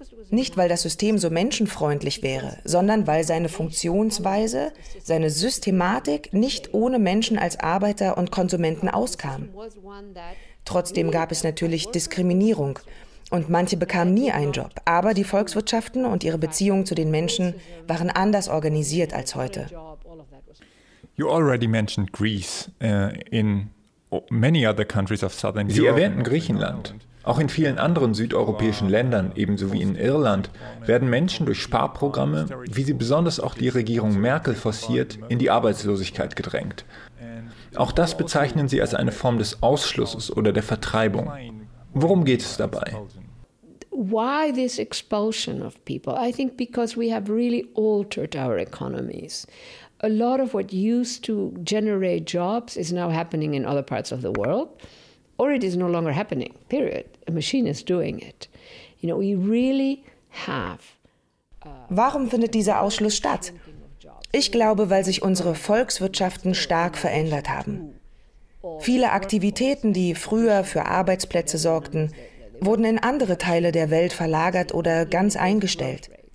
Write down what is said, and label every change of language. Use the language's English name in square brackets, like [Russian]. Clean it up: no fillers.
[German] Nicht, weil das System so menschenfreundlich wäre, sondern weil seine Funktionsweise, seine Systematik nicht ohne Menschen als Arbeiter und Konsumenten auskam. Trotzdem gab es natürlich Diskriminierung und manche bekamen nie einen Job. Aber die Volkswirtschaften und ihre Beziehungen zu den Menschen waren anders organisiert als heute. [English] You already mentioned Greece in many other countries of Southern Europe. [German] Sie erwähnten Griechenland. Auch in vielen anderen südeuropäischen Ländern, ebenso wie in Irland, werden Menschen durch Sparprogramme, wie sie besonders auch die Regierung Merkel forciert, in die Arbeitslosigkeit gedrängt. Auch das bezeichnen sie als eine Form des Ausschlusses oder der Vertreibung. Worum geht es dabei? [English] Why this expulsion of people? I think because we have really altered our economies. A lot of what used to generate jobs is now happening in other parts of the world. Or it is no longer happening, period. A machine is doing it. You know, we really have. [German] Warum findet dieser Ausschluss statt? Ich glaube, weil sich unsere Volkswirtschaften stark verändert haben. Viele Aktivitäten, die früher für Arbeitsplätze sorgten, wurden in andere Teile der Welt verlagert oder ganz eingestellt.